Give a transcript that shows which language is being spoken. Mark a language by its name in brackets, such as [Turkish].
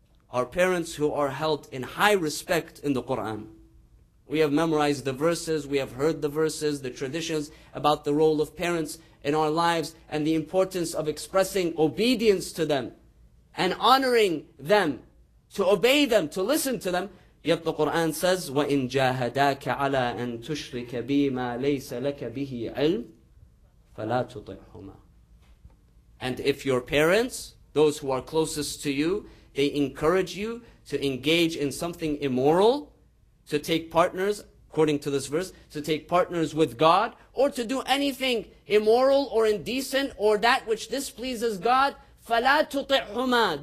[English] Our parents who are held in high respect in the Quran. We have memorized the verses, we have heard the verses, the traditions about the role of parents in our lives and the importance of expressing obedience to them and honoring them, to obey them, to listen to them. Yet the Quran says, [Arabic] وَإِن جَاهَدَاكَ عَلَىٰ أَن تُشْرِكَ بِي مَا لَيْسَ لَكَ بِهِ عِلْمٍ فَلَا تُطِعْهُمَا. [English] And if your parents, those who are closest to you, they encourage you to engage in something immoral, to take partners, according to this verse, to take partners with God, or to do anything immoral or indecent or that which displeases God, [Arabic] فَلَا تُطِعْهُمَا.